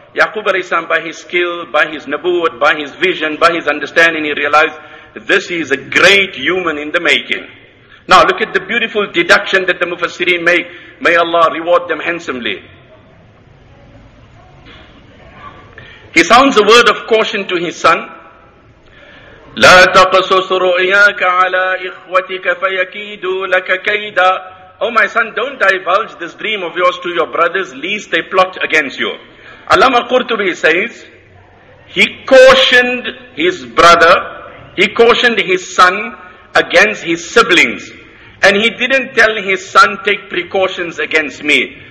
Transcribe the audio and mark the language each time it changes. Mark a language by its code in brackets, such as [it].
[en] Yaqub alayhi salam, by his skill, by his nabuwat, by his vision, by his understanding, he realized this is a great human in the making. Now look at the beautiful deduction that the Mufassirin make. May Allah reward them handsomely. He sounds a word of caution to his son. [ar] لا تقصص رؤياك على إخوتك فيكيدوا لك كيدا. [en] Oh my son, don't divulge this dream of yours to your brothers, lest they plot against you. Allama Qurtubi says, he cautioned his brother, he cautioned his son against his siblings. And he didn't tell his son, take precautions against me.